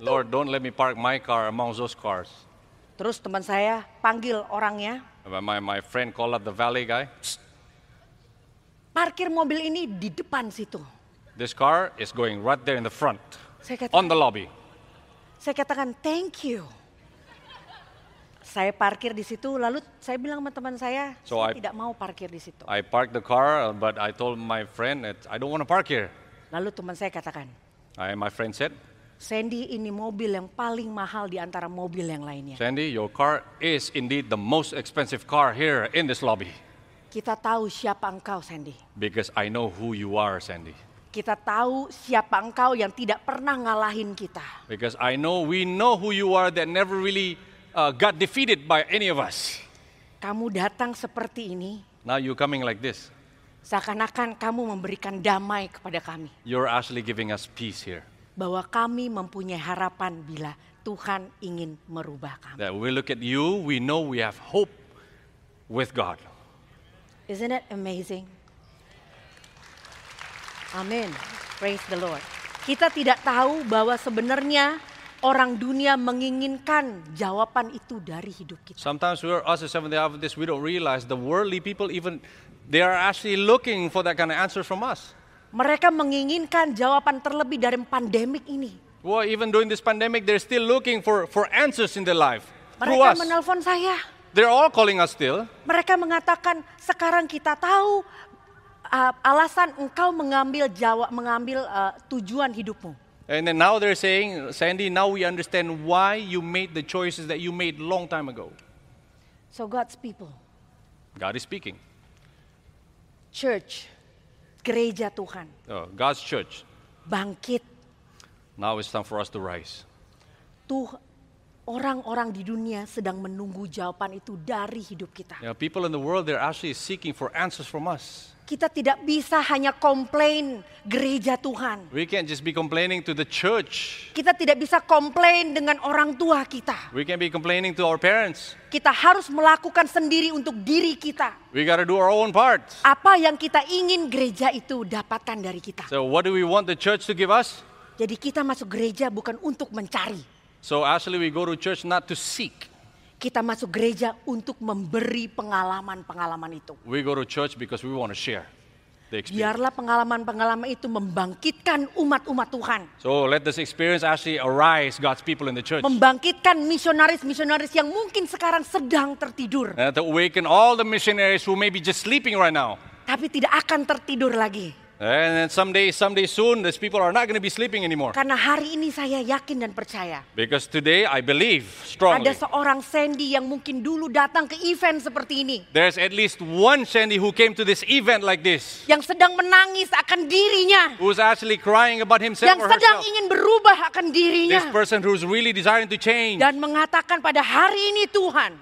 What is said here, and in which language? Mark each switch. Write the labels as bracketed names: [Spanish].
[English] Lord, don't let me park my car among those cars. [Indonesian] Terus teman saya panggil orangnya. [English] My friend call up the valet guy. [Indonesian] Parkir mobil ini di depan situ. [English] This car is going right there in the front. On the lobby. [Indonesian] Saya katakan [English] thank you. [Indonesian] Saya parkir di situ, lalu saya bilang sama teman saya tidak mau parkir di situ. [English] I parked the car, but I told my friend that I don't want to park here. [Indonesian] Lalu teman saya katakan. [English] My friend said. [Indonesian] Shandy, ini mobil yang paling mahal di antara mobil yang lainnya. [English] Shandy, your car is indeed the most expensive car here in this lobby. [Indonesian] Kita tahu siapa engkau, Shandy. [English] Because I know who you are, Shandy. [Indonesian] Kita tahu siapa engkau yang tidak pernah ngalahin kita. [English] Because I know we know who you are that never really... got defeated by any of us. [Indonesian] Kamu datang seperti ini. [English] Now you coming like this. [Indonesian] Seakan-akan kamu memberikan damai kepada kami. [English] You're actually giving us peace here. [Indonesian] Bahwa kami mempunyai harapan bila Tuhan ingin merubah kami. [English] That we look at you, we know we have hope with God. Isn't it amazing? Amen. Praise the Lord. [Indonesian] Kita tidak tahu bahwa sebenarnya orang dunia menginginkan jawaban itu dari hidup kita. [English] Sometimes we are as a Seventh-day Adventist, we don't realize the worldly people even they are actually looking for that kind of answer from us. [Indonesian] Mereka menginginkan jawaban terlebih dari pandemik ini. [English] Well, even during this pandemic, they're still looking for answers in their life. [Indonesian] Mereka menelpon saya. [English] They're all calling us still. [Indonesian] Mereka mengatakan sekarang kita tahu alasan engkau mengambil tujuan hidupmu. [English] And then now they're saying, Shandy, now we understand why you made the choices that you made long time ago. So God's people. God is speaking. [Indonesian] Church. Gereja Tuhan. [English] God's church. [Indonesian] Bangkit. [English] Now it's time for us to rise. [Indonesian] Tuh, orang-orang di dunia sedang menunggu jawaban itu dari hidup kita. [English] You know, people in the world, they're actually seeking for answers from us. [Indonesian] Kita tidak bisa hanya komplain gereja Tuhan. [English] We can't just be complaining to the church. [Indonesian] Kita tidak bisa komplain dengan orang tua kita. [English] We can't be complaining to our parents. [Indonesian] Kita harus melakukan sendiri untuk diri kita. [English] We gotta do our own part. [Indonesian] Apa yang kita ingin gereja itu dapatkan dari kita? [English] So what do we want the church to give us? [Indonesian] Jadi kita masuk gereja bukan untuk mencari. [English] So actually we go to church not to seek. [Indonesian] Kita masuk gereja untuk memberi pengalaman-pengalaman itu. [English] We go to church because we want to share the experience. [Indonesian] Biarlah pengalaman-pengalaman itu membangkitkan umat-umat Tuhan. [English] So let this experience actually arise God's people in the church. [Indonesian] Membangkitkan misionaris-misionaris yang mungkin sekarang sedang tertidur. [English] And to awaken all the missionaries who may be just sleeping right now. [Indonesian] Tapi tidak akan tertidur lagi. [English] And then someday soon, these people are not going to be sleeping anymore. [Indonesian] Karena hari ini saya yakin dan percaya. [English] Because today I believe strongly. [Indonesian] Ada seorang Shandy yang mungkin dulu datang ke event seperti ini. [English] There's at least one Shandy who came to this event like this. [Indonesian] Yang sedang menangis akan dirinya. [English] Who's actually crying about himself [Indonesian] yang [English] or herself. [Indonesian] Yang sedang ingin berubah akan dirinya. [English] This person who's really desiring to change. [Indonesian] Dan mengatakan pada hari ini Tuhan.